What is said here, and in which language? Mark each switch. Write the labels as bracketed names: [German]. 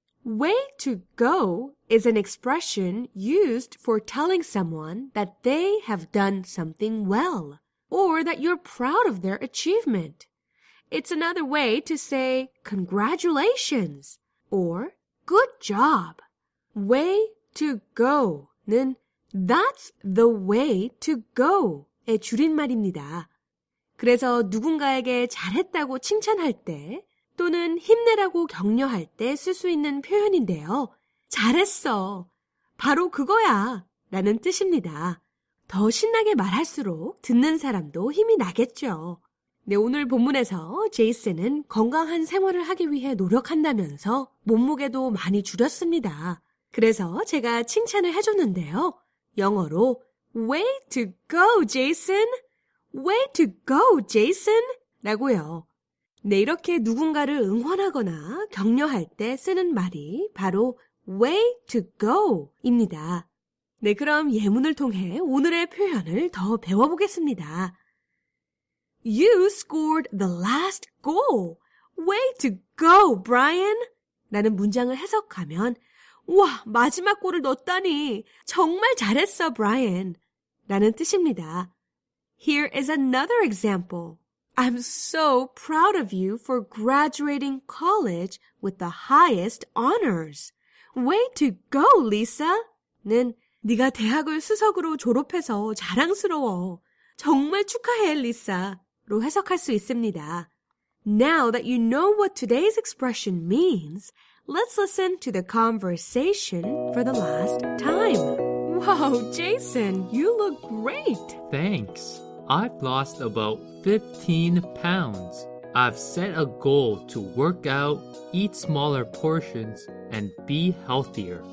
[English] Way to go is an expression used for telling someone that they have done something well or that you're proud of their achievement. It's another way to say congratulations or good job. [Korean] Way to go 는 [English] that's the way to go [Korean] 의 줄임말입니다. 그래서 누군가에게 잘했다고 칭찬할 때 또는 힘내라고 격려할 때 쓸 수 있는 표현인데요. 잘했어. 바로 그거야. 라는 뜻입니다. 더 신나게 말할수록 듣는 사람도 힘이 나겠죠. 네, 오늘 본문에서 제이슨은 건강한 생활을 하기 위해 노력한다면서 몸무게도 많이 줄였습니다. 그래서 제가 칭찬을 해줬는데요. 영어로 [English] Way to go, Jason! Way to go, Jason! [Korean] 라고요. 네, 이렇게 누군가를 응원하거나 격려할 때 쓰는 말이 바로 way to go입니다. 네, 그럼 예문을 통해 오늘의 표현을 더 배워보겠습니다. [English] You scored the last goal. Way to go, Brian! [Korean] 라는 문장을 해석하면 와, 마지막 골을 넣었다니! 정말 잘했어, Brian! 라는 뜻입니다. [English] Here is another example. I'm so proud of you for graduating college with the highest honors. Way to go, Lisa! [Korean] 는 네가 대학을 수석으로 졸업해서 자랑스러워. 정말 축하해, Lisa!로 해석할 수 있습니다. [English] Now that you know what today's expression means, let's listen to the conversation for the last time. Wow, Jason, you look great! Thanks. I've lost about 15 pounds. I've set a goal to work out, eat smaller portions, and be healthier.